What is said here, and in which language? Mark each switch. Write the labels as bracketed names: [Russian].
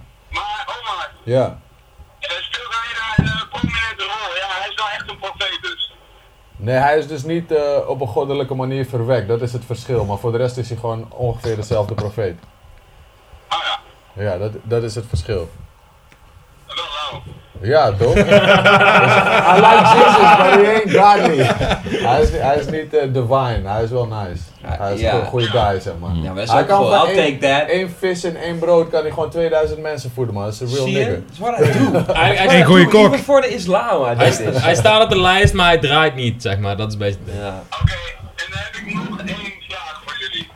[Dutch] Maar Omar. Ja. Speelt hij daar een prominente rol? Ja, hij is wel echt een profeet dus. Nee, hij is dus niet op een goddelijke manier verwekt. Dat is het verschil. Maar voor de rest is hij gewoon ongeveer dezelfde profeet. Ah ja. Ja, dat is het verschil. Wel. Ja, toch? [English] I like Jesus, but he ain't God me. [Dutch] Hij is niet divine. Hij is wel nice. Hij is een goede guy, zeg maar. Ja, best wel cool. [English] I'll take that. [Dutch] Eén vis en één brood kan hij gewoon 2000 mensen voeden, man. Dat is een real nigga. Dat is wat hij doet. Een goede kok. Even voor de islam, hij is. Hij staat op de lijst, maar hij draait niet, zeg maar. Dat is best. Ja. Oké, en dan heb ik nog één vraag voor jullie.